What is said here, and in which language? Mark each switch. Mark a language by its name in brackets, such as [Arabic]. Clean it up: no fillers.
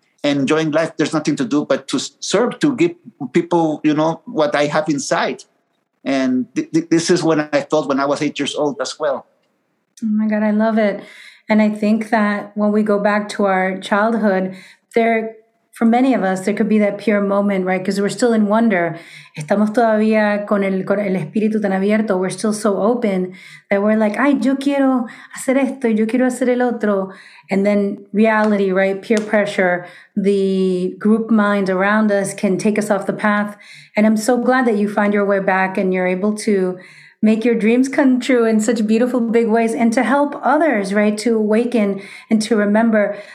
[English] And enjoying life, there's nothing to do but to serve, to give people, you know, what I have inside. And this is what I felt when I was 8 years old as well. Oh my God, I love it. And I think that when we go back to our childhood, for many of us, there could be that pure moment, right? Because we're still in wonder. [Spanish] Estamos todavía con el espíritu tan abierto. [English] We're still so open that we're like, [Spanish] ay, yo quiero hacer esto, yo quiero hacer el otro. [English] And then reality, right? Peer pressure, the group mind around us can take us off the path. And I'm so glad that you find your way back and you're able to make your dreams come true in such beautiful, big ways, and to help others, right, to awaken and to remember.